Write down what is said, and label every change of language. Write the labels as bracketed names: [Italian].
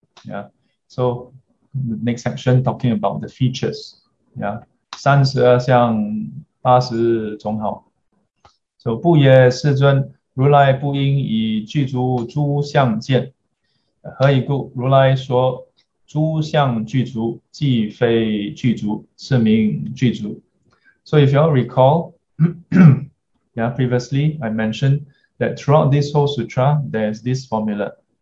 [English] Yeah, so the next section talking about the features. [Chinese] Yeah, 32相80种好。 So 不也世尊，如来不应以具足诸相见？何以故？如来说诸相具足，即非具足，是名具足。 [English] So if you all recall, yeah, previously I mentioned that throughout this whole sutra, there's this formula.